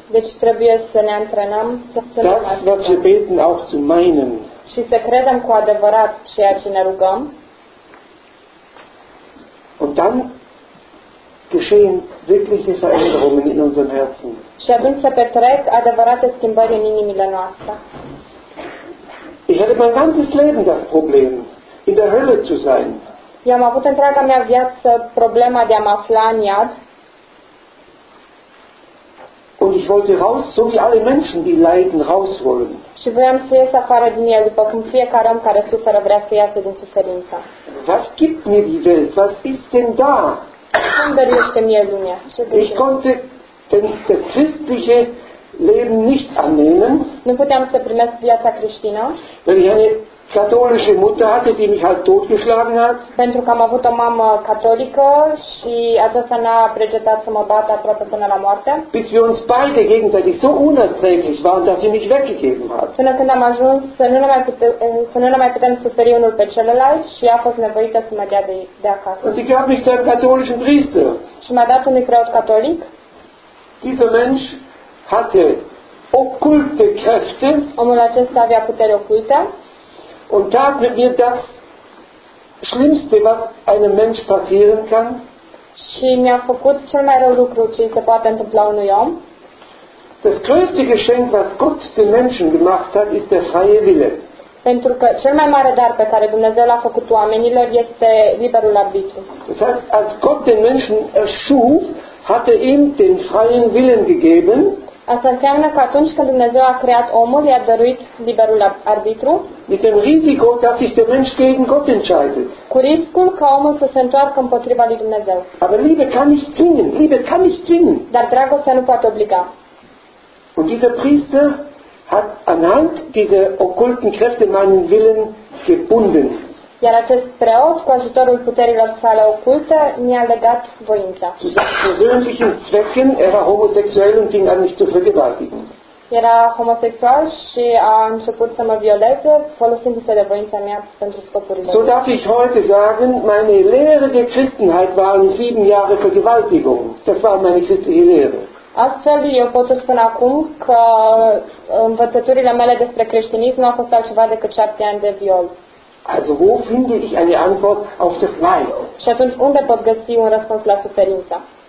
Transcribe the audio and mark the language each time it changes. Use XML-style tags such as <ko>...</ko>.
<ro>Deci trebuie să ne antrenăm să trăim așa.</ro> <de>Das, was wir beten, auch zu meinen.</de> <ro>Și să credem cu adevărat ceea ce ne rugăm.</ro> <de>Und dann geschehen wirkliche Veränderungen in unserem Herzen.</de> <ro>Și atunci se petrec adevărate schimbări în inimile noastre.</ro> <de>Ich hatte mein ganzes Leben das Problem, in der Hölle zu sein.</de> <ro>Eu am avut întreaga mea viață problema de a mă afla în iad.</ro> <de>Und ich wollte raus, so wie alle Menschen, die leiden, raus wollen.</de> <ro>Și voiam să ies afară din el, după cum fiecare om care suferă vrea să iasă din suferință.</ro> <de>Was gibt mir die Welt? Was ist denn da?</de> <ro>Cum dăruiește mie lumea?</ro> <de>Ich konnte das christliche Leben nicht annehmen.</de> <ro>Nu puteam să primesc viața creștină.</ro> <de>Katholische Mutter hatte, die mich halt totgeschlagen hat.</de> <ro>Pentru că am avut o mamă catolică și aceasta n-a pregetat să mă bată aproape până la moarte.</ro> <de>Bis wir uns beide gegenseitig so unerträglich waren, dass sie mich weggegeben hat.</de> <ro>Până când am ajuns să nu ne mai putem suferi unul pe celălalt și a fost nevoită să mă dea de acasă.</ro> <de>Und sie gab mich zu einem katholischen Priester.</de> <ro>Și m-a dat unui preot catolic.</ro> <de>Dieser Mensch hatte okkulte Kräfte.</de> <ro>Omul acesta avea putere ocultă.</ro> <de>Und tat mit mir das Schlimmste, was einem Mensch passieren kann.</de> <ro>Și mi-a făcut cel mai rău lucru ce se poate întâmpla unui om.</ro> <de>Das größte Geschenk, was Gott den Menschen gemacht hat, ist der freie Wille.</de> <ro>Pentru că cel mai mare dar pe care Dumnezeu l-a făcut oamenilor este liberul arbitru.</ro> <de>Das heißt, als Gott den Menschen erschuf, hat er ihm den freien Willen gegeben.</de> <ro>Asta înseamnă că atunci când Dumnezeu a creat omul, i-a dăruit liberul arbitru.</ro> <de>Mit dem Risiko, dass sich der Mensch gegen Gott entscheidet.</de> <ro>Cu riscul ca omul să se întoarcă împotriva lui Dumnezeu.</ro> <de>Aber Liebe kann nicht zwingen. Liebe kann nicht zwingen.</de> <ro>Dar dragostea nu poate obliga.</ro> <de>Und dieser Priester hat anhand dieser okkulten Kräfte meinen Willen gebunden.</de> <ro>Iar acest preot, cu ajutorul puterilor sale oculte, mi-a legat voința.</ro> <de>Zu seinen persönlichen Zwecken, er war homosexuell und fing an mich zu vergewaltigen.</de> <ro>Era homosexual și a început să mă violeze, folosindu-se de voința mea pentru scopurile.</ro> <de>So darf ich heute sagen, meine Lehre der Christenheit waren 7 Jahre Vergewaltigung. Das war meine christliche Lehre.</de> <ro>Astfel, eu pot să spun acum că învățăturile mele despre creștinism nu au fost altceva decât 7 ani de viol.</ro> <de>Also wo finde ich eine Antwort auf das Leid?</de> <ro>Și atunci unde pot găsi un răspuns la suferință?</ro>